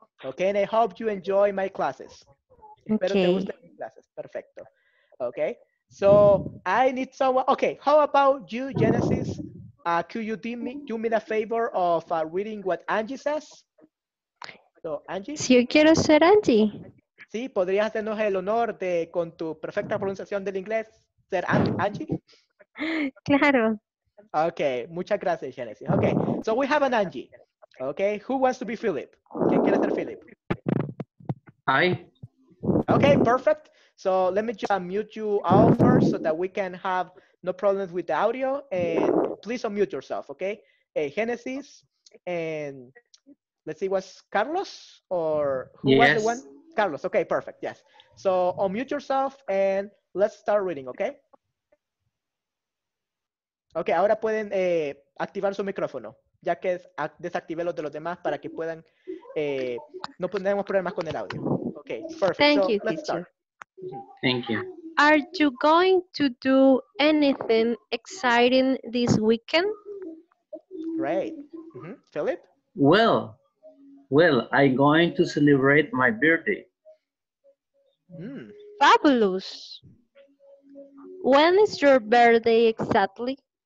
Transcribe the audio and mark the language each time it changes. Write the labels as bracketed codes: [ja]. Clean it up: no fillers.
[en] Okay, and I hope you enjoy my classes. Okay. [es] Espero te gusten mis clases. Perfecto. Okay. [en] So I need someone. Okay, how about you, Genesis? Could you do me the favor of reading what Angie says? So, Angie. [es] Si yo quiero ser Angie. Sí, podrías hacernos el honor de, con tu perfecta pronunciación del inglés, ser Angie. Claro. [en] Okay, [es] muchas gracias, [en] Genesis. Okay, so we have an Angie. Okay, who wants to be Philip? [es] ¿Quién quiere ser Philip? [en] I. Okay, perfect. So let me just unmute you all first so that we can have no problems with the audio. And please unmute yourself, okay? Hey, Genesis. And let's see, was Carlos? Or who yes. was the one? Carlos, okay, perfect, yes. So unmute yourself and let's start reading, okay? [es] Okay, ahora pueden activar su micrófono, ya que desactivé los de los demás para que puedan, no tenemos problemas con el audio. [en] Okay, perfect. Thank so, you, let's teacher. Start. Thank you. Are you going to do anything exciting this weekend? Great. Mm-hmm. Philip? Well, I'm going to celebrate my birthday. Mm. Fabulous. When is your birthday exactly?